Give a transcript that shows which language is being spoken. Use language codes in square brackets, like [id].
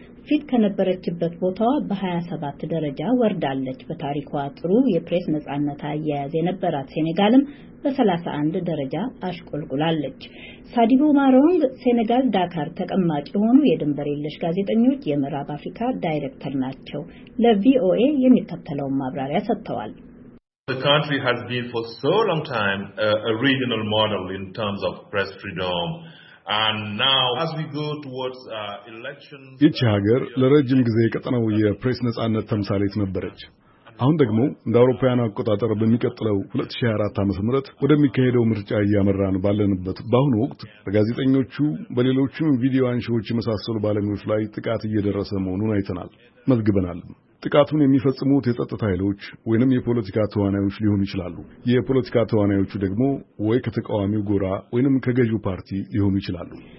[am] ፊት ከነበረችበት ቦታዋ በ27 ደረጃ ወርዳለች። በታሪኳ ጥሩ የፕሬስ ነጻነት አያያዝ የነበራት ሴኔጋልም በ31 ደረጃ አሽቆልቁላለች። ሳዲቡ ማሮንግ ሴኔጋል ዳካር ተቀማጭ የሆኑ የድንበር የለሽ ጋዜጠኞች የምዕራብ አፍሪካ ዳይሬክተር ናቸው። ለቪኦኤ የሚከተለውን ማብራሪያ ሰጥተዋል። [en] The country has been for so long time a regional model in terms of press freedom. And now, as we go towards elections... [am] ይቺ ሀገር ለረጅም ጊዜ የቀጠነው የፕሬስ ነጻነት ተምሳሌት ነበረች። አሁን ደግሞ እንደ አውሮፓውያን አቆጣጠር በሚቀጥለው 2024 ዓመተ ምህረት ወደሚካሄደው ምርጫ እያመራን ባለንበት በአሁኑ ወቅት በጋዜጠኞቹ በሌሎችም ቪዲዮ አንሺዎች የመሳሰሉ ባለሙያዎች ላይ ጥቃት እየደረሰ መሆኑን አይተናል፣ መዝግበናል። ጥቃቱን የሚፈጽሙት የጸጥታ ኃይሎች ወይንም የፖለቲካ ተዋናዮች ሊሆኑ ይችላሉ። የፖለቲካ ተዋናዮቹ ደግሞ ወይ ከተቃዋሚው ጎራ ወይንም ከገዢው ፓርቲ ሊሆኑ ይችላሉ።